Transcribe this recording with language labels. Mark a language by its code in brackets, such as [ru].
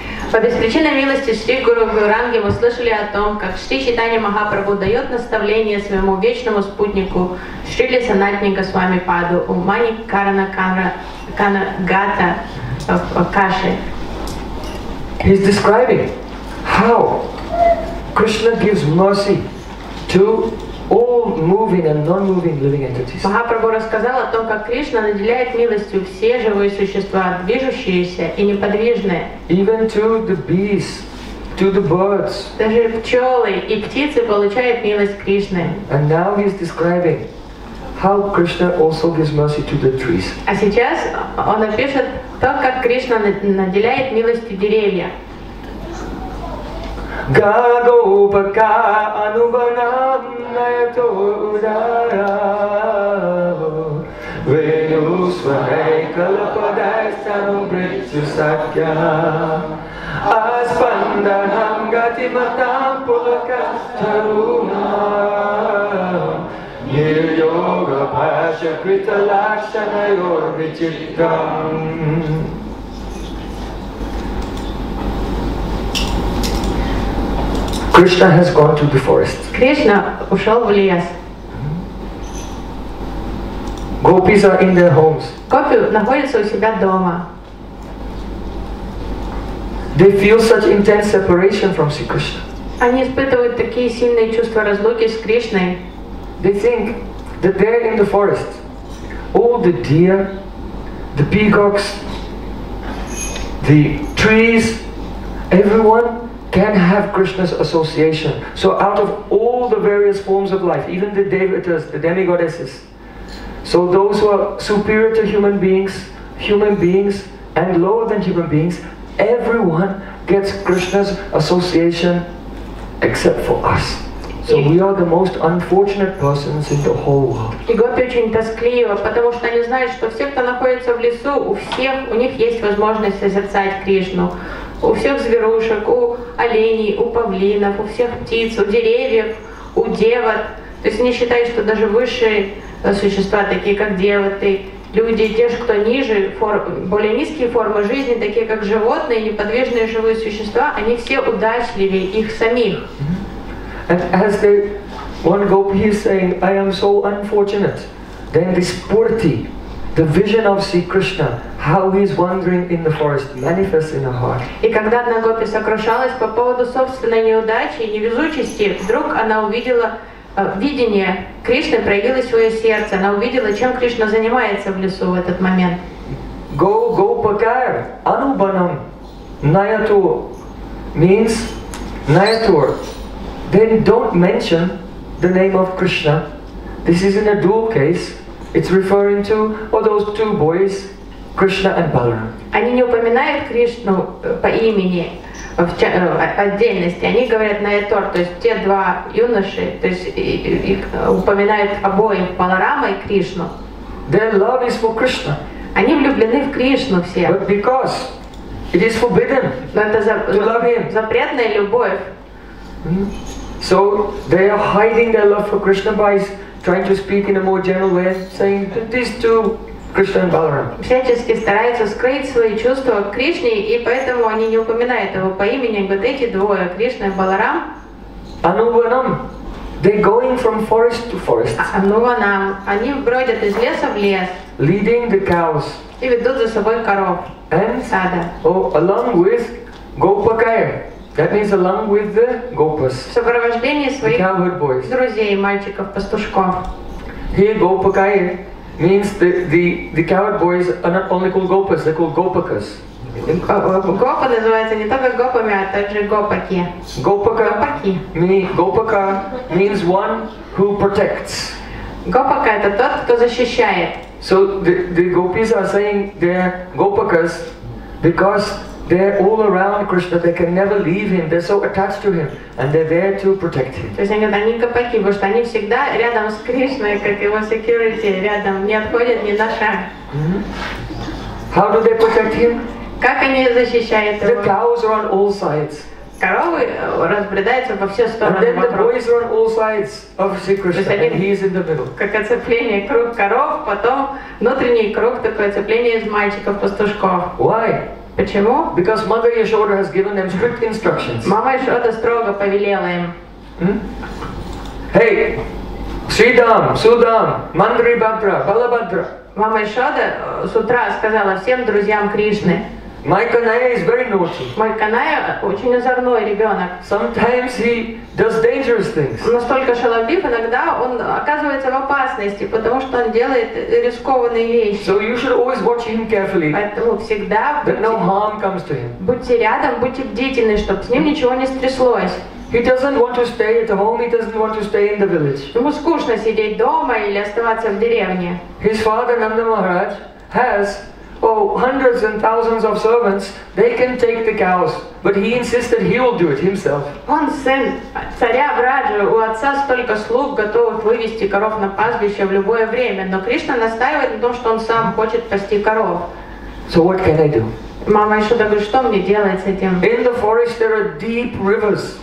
[ru] По беспричинной милости Шри Гуру Гауранги мы слышали о том, как Шри Чайтанья Махапрабху дает наставление своему вечному спутнику Шриле Санатане Госвами Паду у Маникарна Кана Гата в Каши. [en] He's describing how Krishna gives mercy to all moving and non-moving living entities. [ru] Махапрабху рассказал о том, как Кришна наделяет милостью все живые существа, движущиеся и неподвижные. [en] Even to the bees, to the birds. [ru] Даже пчелы и птицы получают милость Кришны. [en] And now he's describing how Krishna also gives mercy to the trees. [ru] А сейчас он опишет то, как Кришна наделяет милостью деревья. [sa] Gagopaka anubanam nayato udara Venusvahai kalpadaisthanu brityu sakya Aspandanam gatimatam pulakastharuna Nilyoga bhasya krita lakshanayor vichittam [en] Krishna has gone to the forest. [ru] Krishna ушел в лес. [en] Gopis are in their homes. [ru] Gopi находятся у себя дома. [en] They feel such intense separation from Sri Krishna. [ru] Они испытывают такие сильные чувства разлуки с Кришной. [en] They think that there in the forest, all the deer, the peacocks, the trees, everyone can have Krishna's association. So out of all the various forms of life, even the devatas, the demigoddesses, so those who are superior to human beings and lower than human beings, everyone gets Krishna's association except for us. So we are the most unfortunate persons in the whole world. [ru] И гопи очень тоскливо, потому что они знают, что все, кто находится в лесу, у всех, у них есть возможность созерцать Кришну. У всех зверушек, у оленей, у павлинов, у всех птиц, у деревьев, у девот. То есть они считают, что даже высшие существа, такие как девоты, люди, те же, кто ниже, более низкие формы жизни, такие как животные, неподвижные живые существа, они все удачливее их самих. [en] And as the one gopi is saying, I am so unfortunate, then this purity, the vision of Sri Krishna, how he is wandering in the forest, manifests in her heart. [ru] И когда одна гопи сокрушалась по поводу собственной неудачи и невезучести, вдруг она увидела видение Кришны, проявилось свое сердце. Она увидела, чем Кришна занимается в лесу в этот момент. [sa] Go, go, pakar, anubanam, nayatur, [en] means [sa] nayatur. [en] Then don't mention the name of Krishna. This is in a dual case. It's referring to all those two boys, Krishna and Balaram. [ru] Они не упоминают Кришну по имени в отдельности. Они говорят Наятор, то есть те два юноши, то есть их упоминают обоих, Баларама и Кришну. [en] Their love is for Krishna. [ru] Они влюблены в Кришну все. [en] But because it is forbidden to love him. [ru] Запретная любовь. [en] So they are hiding their love for Krishna by trying to speak in a more general way, saying these two, Krishna and Balaram. [ru] Всячески стараются скрыть свои чувства к Кришне, и поэтому они не упоминают его по имени, вот эти двое, Кришна и Баларам. [en] Anubanam, they're going from forest to forest. [ru] Anubanam, они бродят из леса в лес. [en] Leading the cows. [ru] И ведут за собой коров. [en] And [ru] сада. [en] Oh, along with Gopakaya. That means along with the gopas. [ru] В сопровождении своих [en] cowherd boys. [ru] Друзей, мальчиков, пастушков. [en] Here Gopakaya means the cowherd boys are not only called gopas, they're called gopakas. [ru] Gopa называется не только гопами, а также гопаки. [en] Gopaka, Gopaka means one who protects. [ru] Gopaka это тот, кто защищает. [en] So the gopis are saying they're gopakas because they're all around Krishna, they can never leave him, they're so attached to him, and they're there to protect him. [ru] То есть они говорят, они копаки, потому что они всегда рядом с Кришной, как его security, рядом, не отходят ни на шаг. [en] How do they protect him? [ru] Как они защищают его? [en] The cows are on all sides. [ru] коровы разбредаются во все стороны. [en] And then the boys are on all sides of Sri Krishna, and he is in the middle. [ru] Как оцепление круг коров, потом внутренний круг, такое оцепление из мальчиков пастушков. [en] Why? [ru] Почему? [en] Because Mother Yashoda has given them strict instructions. [ru] Мама Яшода строго повелела им. [en] Hey, Sridham, Sudham, Mandri Bhadra, Balabhadra. [ru] Мама Яшода с утра сказала всем друзьям Кришны. [en] My Kanaya is very naughty. [ru] Мой Каная очень озорной ребенок. [en] Sometimes he does dangerous things. [ru] Настолько шаловлив, иногда он оказывается в опасности, потому что он делает рискованные вещи. [en] So you should always watch him carefully. [ru] Поэтому всегда [en] no harm comes to him. [ru] Будьте рядом, будьте бдительны, чтобы с ним ничего не стряслось. [en] He doesn't want to stay at home. He doesn't want to stay in the village. [ru] Ему скучно сидеть дома или оставаться в деревне. [en] His father Nanda Maharaj has hundreds and thousands of servants. They can take the cows, but he insisted he will do it himself. [ru] Он сын царя Враджа, у отца столько слуг, готовых вывести коров на пастбище в любое время, но Кришна настаивает на том, что он сам хочет пасти коров. [en] So what can I do? [ru] Мама еще говорит, что мне делать с этим? [en] In the forest there are deep rivers.